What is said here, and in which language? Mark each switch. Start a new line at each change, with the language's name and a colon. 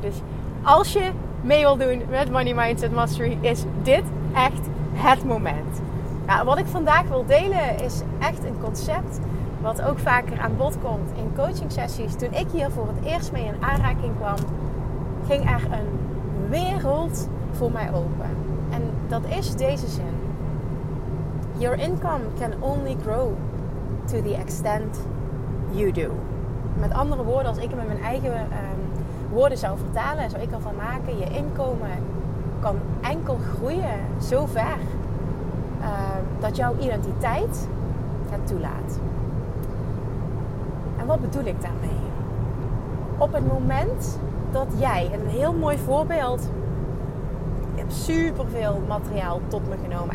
Dutch: Dus als je mee wil doen met Money Mindset Mastery, is dit echt het moment. Nou, wat ik vandaag wil delen is echt een concept wat ook vaker aan bod komt in coaching sessies. Toen ik hier voor het eerst mee in aanraking kwam, ging er een wereld voor mij open. En dat is deze zin.
English: Your income can only grow to the extent you do.
Dutch: Met andere woorden, als ik hem in mijn eigen woorden zou vertalen, zou ik ervan maken, je inkomen kan enkel groeien zover dat jouw identiteit het toelaat. En wat bedoel ik daarmee? Op het moment dat jij, een heel mooi voorbeeld, ik heb superveel materiaal tot me genomen.